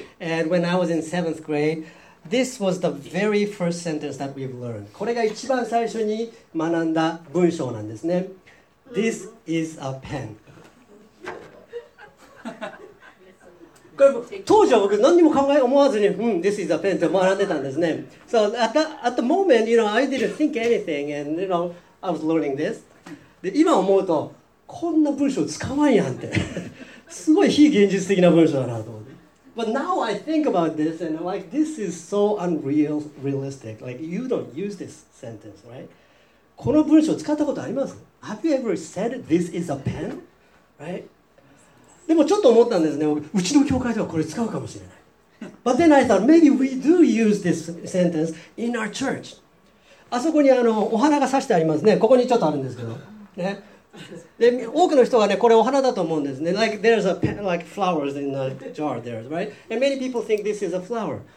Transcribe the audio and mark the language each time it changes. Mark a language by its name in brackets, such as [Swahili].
[English] And when I was in 7th grade this was the very first sentence that we've learned. [Japanese] これが一番最初に学んだ文章なんですね。 [English] This is a pen. [Japanese] これ当時は僕何にも考え思わずに、うん、 [English] This is a pen [Japanese] って学んでたんですね。 [English] So at the moment, you know, I didn't think anything and, you know, I was learning this. [Japanese] で今思うと、こんな文章使わんやんって。すごい非現実的な文章だなと思って。 [English] But now I think about this and I'm like, this is so unrealistic. Like, you don't use this sentence, right? [Japanese] この文章使ったことあります? [English] Have you ever said this is a pen? Right? [Japanese] でもちょっと思ったんですね。うちの教会ではこれ使うかもしれない。 [English] But then I thought, maybe we do use this sentence in our church. [Japanese] あそこにお花が挿してありますね。ここにちょっとあるんですけど。ね、で多くの人がね、これお花だと思うんですね。 [English] Like, there's a pen, like flowers in the jar there, right? And many people think this is a flower.